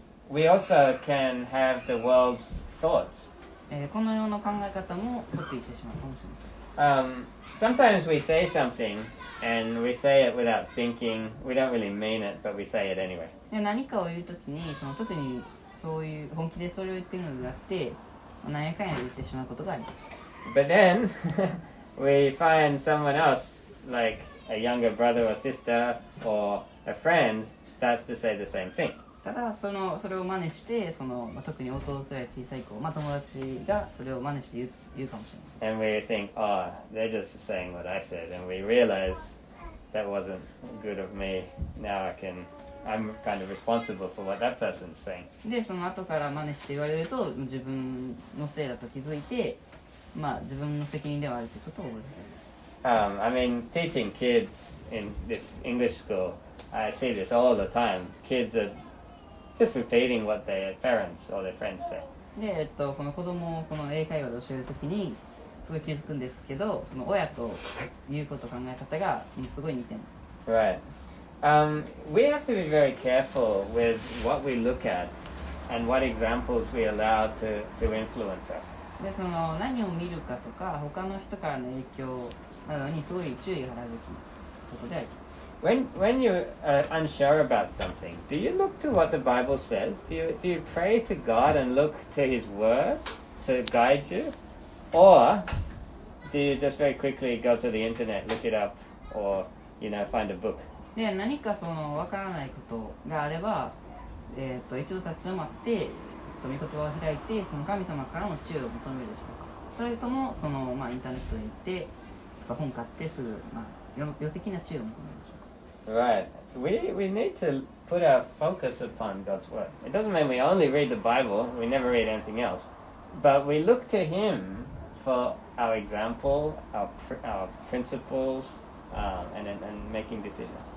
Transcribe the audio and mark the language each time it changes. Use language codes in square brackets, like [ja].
[en] We also can have the world's thoughts. [ja] この世の考え方もコピーしてしまうかもしれません。 [en] Sometimes we say something, and we say it without thinking. We don't really mean it, but we say it anyway. [ja] 何かを言うときに、その特にそういう本気でそれを言っているのではなくて、何やかんやで言ってしまうことがあります。 [en] But then, we find someone else, like a younger brother or sister or a friend, starts to say the same thing. [ja] ただそれを真似して、その特に弟や小さい子、まあ、友達がそれを真似して言うかもしれない。 [en] And we think, oh, they're just saying what I said. And we realize that wasn't good of me. Now I can... I'm kind of responsible for what that person's saying. [ja] で、その後から真似して言われると、自分のせいだと気づいて、まあ、自分の責任ではあるということを覚えています。 [en] I mean, teaching kids in this English school, I see this all the time. Kids are just repeating what their parents or their friends say. [ja] で、この子供をこの英会話で教えるときに、すごい気づくんですけど、その親と言うことを考え方がもうすごい似てます。 [en] Right.We have to be very careful with what we look at and what examples we allow to influence us. [ja] でその何を見るかとか他の人からの影響などにすごい注意を払うべきことであります。 [en] When you're unsure about something, do you look to what the Bible says? Do you pray to God and look to His Word to guide you? Or do you just very quickly go to the internet, look it up, or, you know, find a book? [ja] で、何かその分からないことがあれば、一度立ち止まって、御言葉を開いて、その神様からの知恵を求めるでしょうか。それとも、その、まあ、インターネットに行って、本買ってすぐ、まあ、予的な知恵を求めるでしょうか。 [en] Right. We need to put our focus upon God's word. It doesn't mean we only read the Bible, we never read anything else. But we look to Him for our example, our principles, and making decisions.